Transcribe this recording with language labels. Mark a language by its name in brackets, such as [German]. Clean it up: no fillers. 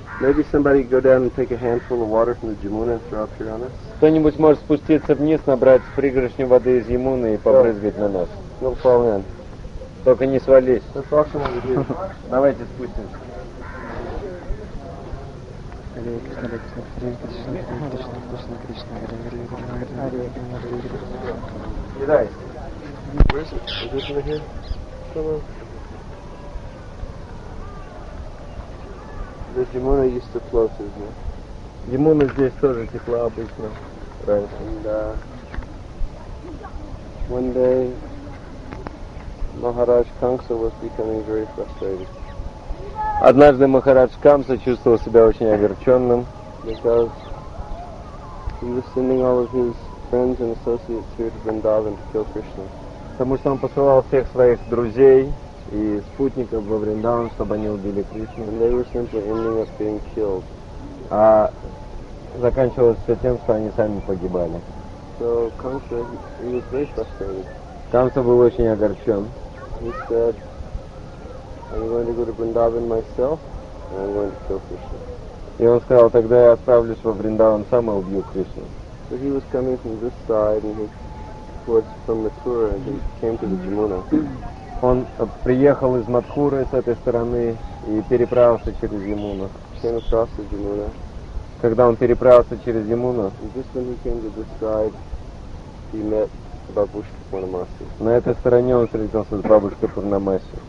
[English] Maybe somebody go down and take a handful of water from the Jamuna and throw up here on us. [Russian] Кто-нибудь может спуститься вниз, набрать пригоршню воды из Ямуны и побрызгать на нас. [English] No problem. [Russian] Только не свались. [English] Let's throw some over here. [Russian] Давайте спустимся. [English] Where is it? Is this over here? Gautama. The Yamuna used to flow through here. [Russian] Yamuna здесь тоже текла обычно раньше. [English] And one day Maharaj Kamsa was becoming very frustrated. [Russian] Однажды Махарадж Камса чувствовал себя очень огорченным. [English] Because he was sending all of his friends and associates here to Vrindavan to kill Krishna. [Russian] Потому что он посылал всех своих друзей и спутников во Вриндаван, чтобы они убили Кришну. [English] And they were simply ending up being killed. [Russian] А заканчивалось все тем, что они сами погибали. [English] So Kamsa, he was very frustrated. [Russian] Kamsa был очень огорчен. [English] He said, I'm going to go to Vrindavan myself, and I'm going to kill Krishna. [Russian] И он сказал, тогда я отправлюсь во Вриндаван сам и убью Кришну. [English] So he was coming from this side, and he was from Mathura, and he came to the Yamuna. [Russian] Он приехал из Мадхуры с этой стороны и переправился через Ямуну. [English] Came across the Yamuna. [Russian] Когда он переправился через Ямуну, [English] and just when he came to this side, he met Бабушка Пурнамаси. [Russian] На этой стороне он встретился с Бабушкой Пурнамаси.